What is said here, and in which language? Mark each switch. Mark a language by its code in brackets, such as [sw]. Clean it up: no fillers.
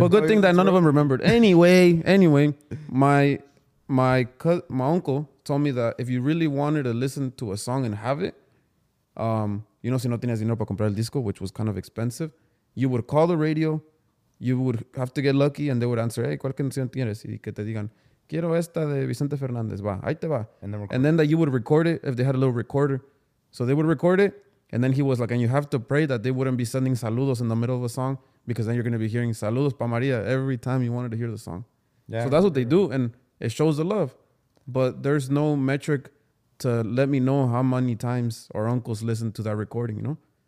[en] But good thing that none of them remembered. Anyway, my uncle told me that if you really wanted to listen to a song and have it, you know, [es] si no tienes dinero para comprar el disco, [en] which was kind of expensive, you would call the radio, you would have to get lucky, and they would answer, hey, [es] ¿cuál canción tienes? Y que te digan, quiero esta de Vicente Fernández, va, ahí te va. [en] And then that you would record it if they had a little recorder. So they would record it, and then he was like, and you have to pray that they wouldn't be sending saludos in the middle of a song, because then you're going to be hearing [es] saludos pa María [en] every time you wanted to hear the song. Yeah, so that's what they do, and it shows the love. But there's no metric to let me know how many times our uncles listened to that recording, you know?